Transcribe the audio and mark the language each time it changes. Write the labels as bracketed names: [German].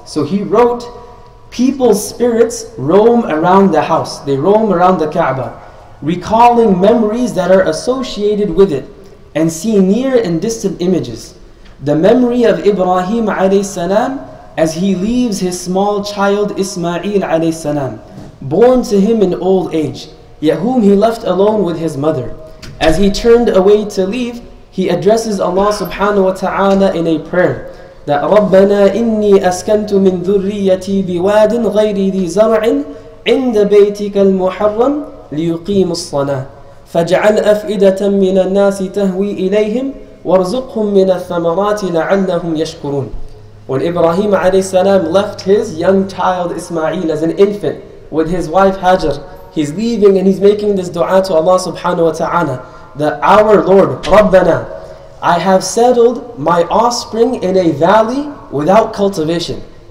[English] So he wrote, people's spirits roam around the house, they roam around the Kaaba, recalling memories that are associated with it, and see near and distant images. The memory of Ibrahim alayhi salam as he leaves his small child Ismail alayhi salam, born to him in old age, yet whom he left alone with his mother. As he turned away to leave, he addresses Allah subhanahu wa ta'ala in a prayer that [Arabic] رَبَّنَا إِنِّي أَسْكَنْتُ مِن ذُرِّيَّتِي بِوَادٍ غَيْرِ ذِي زَرْعٍ عِنْدَ بَيْتِكَ الْمُحَرَّمِ لِيُقِيمُ الصَّلَاةِ فَاجْعَلْ أَفْئِدَةً مِّنَ النَّاسِ تَهْوِي إِلَيْهِمْ وَارْزُقْهُمْ مِّنَ الثَّمَرَاتِ لَعَلَّهُمْ يَشْكُرُونَ. [English] When Ibrahim alayhi salam left his young child Ismail as an infant with his wife Hajar, he's leaving and he's making this dua to Allah subhanahu wa ta'ala, that our Lord, [Arabic] رَبَّنَا, [English] I have settled my offspring in a valley without cultivation.